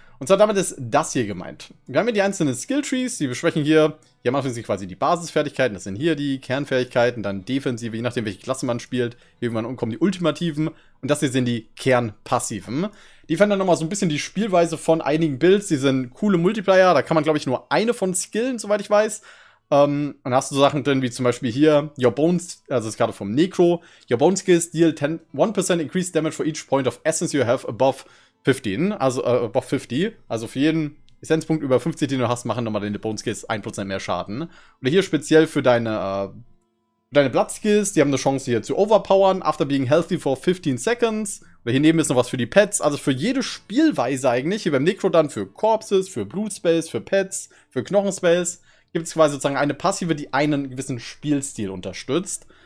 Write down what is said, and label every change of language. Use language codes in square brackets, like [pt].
[de] Und zwar damit ist das hier gemeint. Wir haben hier die einzelnen Skill Trees, die besprechen hier, hier machen sie quasi die Basisfertigkeiten, das sind hier die Kernfähigkeiten, dann Defensive, je nachdem, welche Klasse man spielt, irgendwann umkommen die Ultimativen. Und das hier sind die Kernpassiven. Die verändern nochmal so ein bisschen die Spielweise von einigen Builds. Die sind coole Multiplayer. Da kann man, glaube ich, nur eine von skillen, soweit ich weiß. Dann hast du so Sachen drin, wie zum Beispiel hier, Your Bones, also das ist gerade vom Necro. [en] Your Bones Skills deal 10, 1% increased damage for each point of essence you have above 15. Also, above 50. [de] Also für jeden Essenzpunkt über 50, den du hast, machen nochmal deine Bones Skills 1% mehr Schaden. Oder hier speziell für deine Blood Skills, die haben eine Chance hier zu overpowern, [en] after being healthy for 15 seconds. [de] Oder hier neben ist noch was für die Pets. Also für jede Spielweise eigentlich, hier beim Necro dann für Corpses, für Blood Spells, für Pets, für Knochen Spells, gibt es quasi sozusagen eine Passive, die einen gewissen Spielstil unterstützt.